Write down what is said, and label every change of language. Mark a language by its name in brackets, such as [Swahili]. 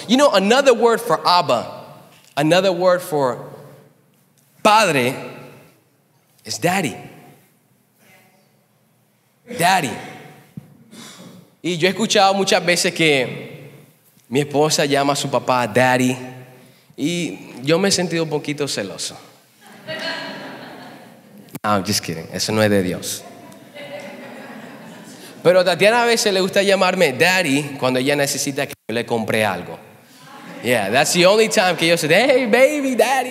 [English] You know, another word for Abba, another word for Padre, is Daddy. Daddy. [Spanish] Y yo he escuchado muchas veces que mi esposa llama a su papá Daddy, y yo me he sentido un poquito celoso. [English] I'm just kidding, [Spanish] eso no es de Dios. Pero Tatiana a veces le gusta llamarme Daddy cuando ella necesita que yo le compre algo. [English] Yeah, that's the only time [Spanish] que yo [English] say, hey baby, Daddy.